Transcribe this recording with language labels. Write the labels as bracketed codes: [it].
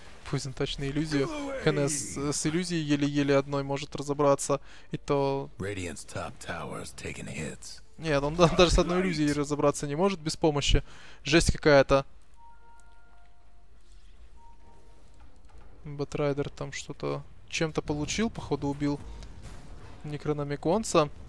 [ru] Poison точно иллюзию. ХНС с иллюзией еле-еле одной может разобраться. И то... [en] Radiant's top tower is taking hits. [ru] Нет, он даже с одной иллюзией разобраться не может без помощи. Жесть какая-то. Батрайдер там что-то... Чем-то получил, походу убил Некрономиконца.